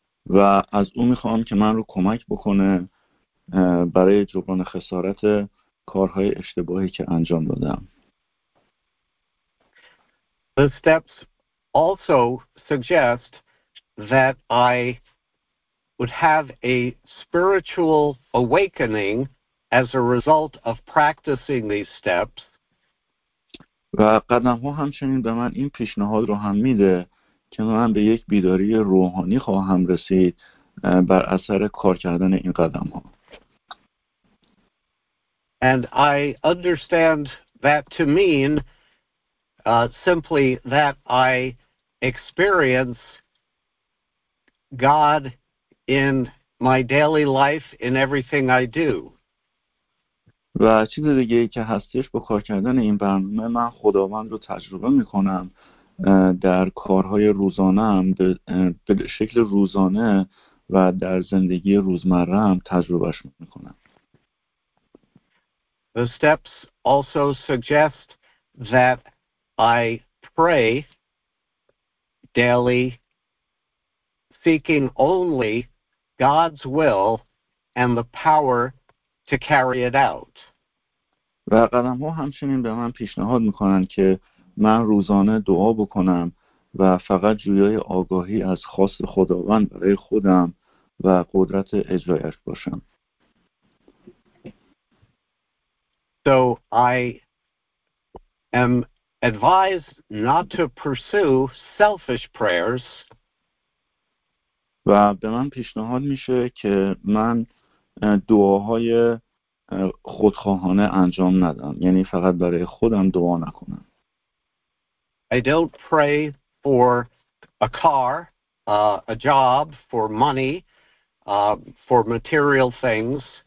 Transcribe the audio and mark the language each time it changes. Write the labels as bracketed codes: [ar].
[fa] و از او میخوام که من رو کمک بکنه برای جبران خسارت کارهای اشتباهی که انجام دادم. [en] The steps also suggest that I would have a spiritual awakening as a result of practicing these steps. [fa] و قدم ها همچنین به من این پیشنهاد رو هم میده که من به یک بیداری روحانی خواهم رسید بر اثر کار کردن این قدم ها. [en] And I understand that to mean simply that I experience God in my daily life in everything I do. [fa] و چیز دیگه که هستش با کار کردن این برنامه من خداوند رو تجربه میکنم در کارهای روزانه‌ام به شکل روزانه و در زندگی روزمره‌ام تجربهش میکنم. [en] The steps also suggest that I pray daily, seeking only God's will and the power to carry it out. [fa] و قدم ها همچنین به من پیشنهاد میکنن که من روزانه دعا بکنم و فقط جویای آگاهی از خواست خداوند برای خودم و قدرت اجرایش باشم. [en] So I am advised not to pursue selfish prayers. [fa] و به من پیشنهاد میشه که من دعاهای خودخواهانه انجام ندم. یعنی فقط برای خودم دعا نکنم. [en] I don't pray for a car, a job, for money, for material things.